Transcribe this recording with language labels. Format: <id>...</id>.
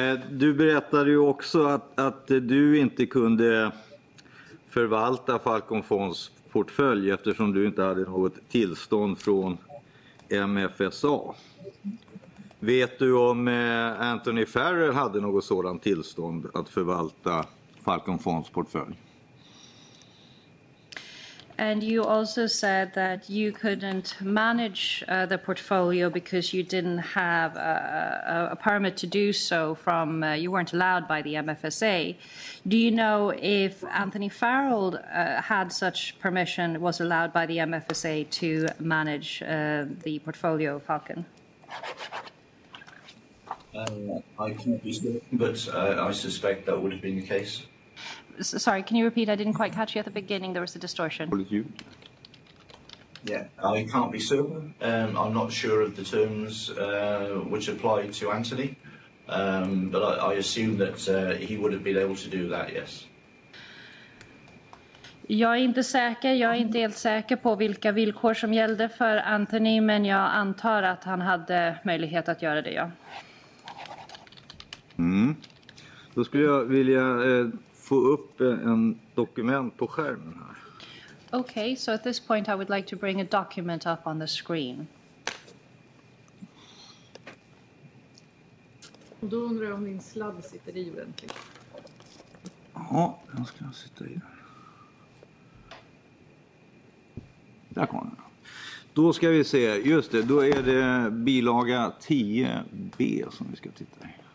<sv>Du berättade ju också att du inte kunde förvalta Falcon Fonds portfölj eftersom du inte hade något tillstånd från MFSA. Vet du om Anthony Farrell hade något sådant tillstånd att förvalta Falcon Fonds portfölj?</sv> <en>And you also said that you couldn't manage the portfolio because you didn't have a permit to do so from you weren't allowed by the MFSA. Do you know if Anthony Farrell had such permission, was allowed by the MFSA to manage the portfolio of Falcon? I can't be sure, but I suspect that would have been the case. Sorry, can you repeat? I didn't quite catch you at the beginning. There was a distortion. What is you? Yeah, I can't be sure. I'm not sure of the terms which apply to Anthony, but I assume that he would have been able to do that, yes.</en> <sv>Jag är inte säker. Jag är inte helt säker på vilka villkor som gällde för Anthony, men jag antar att han hade möjlighet att göra det, ja. Mm. Då skulle jag vilja få upp en dokument på skärmen här.</sv> <en>Okay, so at this point I would like to bring a document up on the screen.</en> <sv>Och då undrar jag om min sladd sitter i ordentligt. Ja, den ska jag sitta i. Där kom den. Då ska vi se, just det, då är det bilaga 10b som vi ska titta i.</sv>